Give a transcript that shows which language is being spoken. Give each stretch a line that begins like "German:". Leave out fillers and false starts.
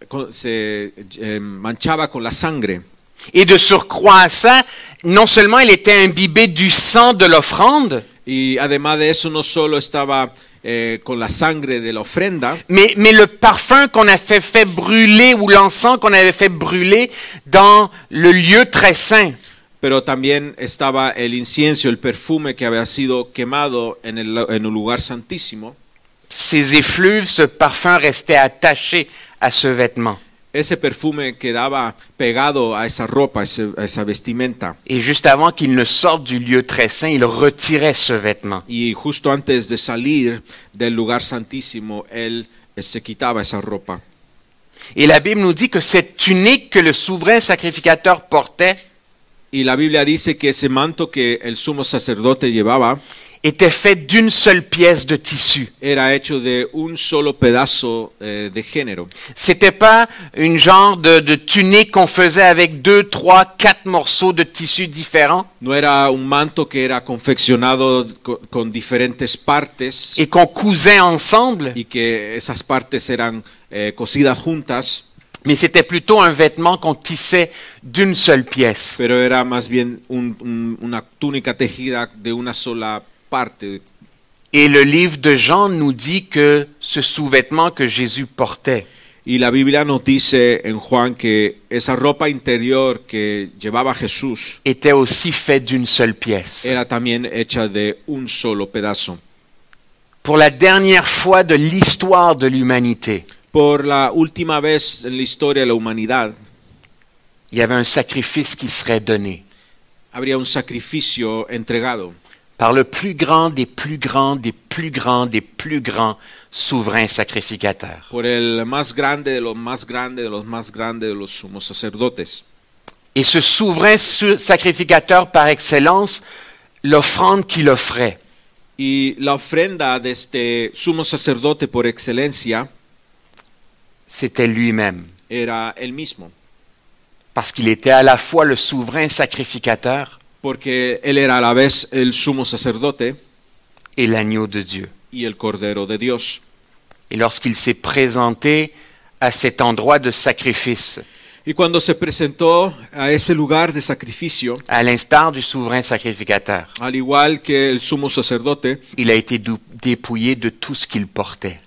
Spanish: Se manchaba con la sangre.
French: Et de surcroît à ça, non seulement il était imbibé du sang de l'offrande.
Spanish: Y además de eso, no solo estaba con la sangre de la ofrenda.
French: Mais le parfum qu'on a fait brûler ou l'encens qu'on avait fait brûler dans le lieu très saint.
Spanish: Pero también estaba el incienso, el perfume que había sido quemado en el lugar santísimo.
French: Ses effluves, ce parfum restait attaché à ce vêtement.
Spanish: Ese perfume quedaba pegado a esa ropa, a esa vestimenta.
French: Et juste avant qu'il ne sorte du lieu très saint, il retirait ce vêtement.
Spanish: Y justo antes de salir del lugar santísimo, él se quitaba esa ropa.
French: Et la Bible nous dit que cette tunique que le souverain sacrificateur portait,
Spanish: y la Biblia dice que ese manto que el sumo sacerdote llevaba,
French: était fait d'une seule pièce de tissu.
Spanish: Era hecho de un solo pedazo de género.
French: C'était pas une genre de tunique qu'on faisait avec 2, 3, 4 morceaux de tissu différents.
Spanish: No era un manto que era confeccionado con diferentes partes.
French: Et qu'on cousait ensemble.
Spanish: Y que esas partes eran cosidas juntas.
French: Mais c'était plutôt un vêtement qu'on tissait d'une seule pièce.
Spanish: Pero era más bien una túnica tejida de una sola parte.
French: Et le livre de Jean nous dit que ce sous-vêtement que Jésus portait.
Spanish: Y la Biblia nos dice en Juan que esa ropa interior que llevaba Jesús
French: était aussi faite d'une seule pièce.
Spanish: Era también hecha de un solo pedazo.
French: Pour la dernière fois de l'histoire de l'humanité.
Spanish: Por la última vez en la historia de la humanidad,
French: il y avait un sacrifice qui serait donné.
Spanish: Habría un sacrificio entregado.
French: Par le plus grand des plus grands des plus grands des plus grands souverains sacrificateurs.
Spanish: Por el más grande de los más grandes de los más grandes de los sumos sacerdotes.
French: Et ce souverain sacrificateur par excellence, l'offrande qu'il offrait.
Spanish: Y la ofrenda de este sumo sacerdote por excelencia.
French: C'était lui-même.
Spanish: Era el mismo.
French: Parce qu'il était à la fois le souverain sacrificateur.
Spanish: Porque él era a la vez el sumo sacerdote.
French: Et l'agneau de Dieu.
Spanish: Y el cordero de Dios.
French: Et lorsqu'il s'est présenté à cet endroit de sacrifice.
Spanish: Y cuando se presentó a ese lugar de sacrificio.
French: À l'instar du souverain sacrificateur.
Spanish: Al igual que el sumo sacerdote.
French: Il a été dépouillé de tout ce qu'il portait.